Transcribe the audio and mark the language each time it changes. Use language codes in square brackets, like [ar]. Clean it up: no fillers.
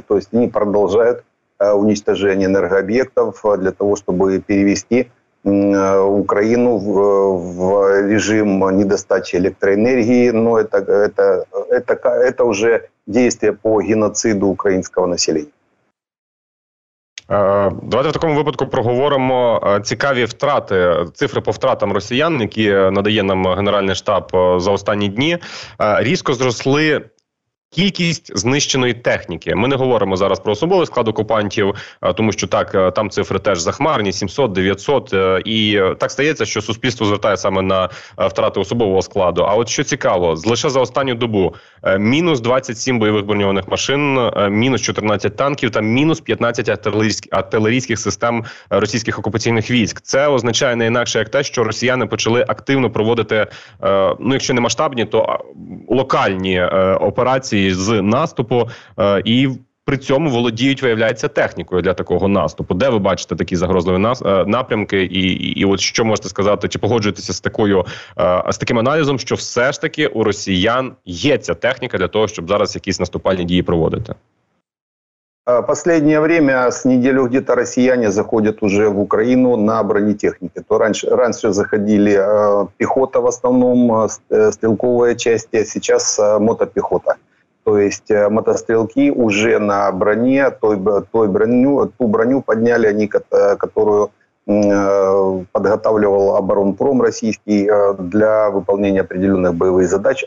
[ru] То есть они продолжают уничтожение энергообъектов для того, чтобы перевести Украину в режим недостачи электроэнергии. Но это уже действие по геноциду украинского населения. [uk] Давайте в такому випадку проговоримо цікаві втрати, цифри по втратам росіян, які надає нам Генеральний штаб за останні дні. Різко зросли кількість знищеної техніки. Ми не говоримо зараз про особовий склад окупантів, тому що так, там цифри теж захмарні, 700, 900. І так стається, що суспільство звертає саме на втрати особового складу. А от що цікаво, лише за останню добу мінус 27 бойових броньованих машин, мінус 14 танків та мінус 15 артилерійських систем російських окупаційних військ. Це означає не інакше, як те, що росіяни почали активно проводити, ну якщо не масштабні, то локальні операції з наступу, і при цьому володіють, виявляється, технікою для такого наступу. Де ви бачите такі загрозливі напрямки, і от що можете сказати, чи погоджуєтеся з таким аналізом, що все ж таки у росіян є ця техніка для того, щоб зараз якісь наступальні дії проводити? [ru] Последнее время, с неделю где-то россияне заходят уже в Украину на бронетехнике. То раньше заходили пехота в основном, стрелковая часть, а сейчас мотопехота. То есть мотострелки уже на броне, ту броню подняли они, которую подготавливал оборонпром российский для выполнения определенных боевых задач.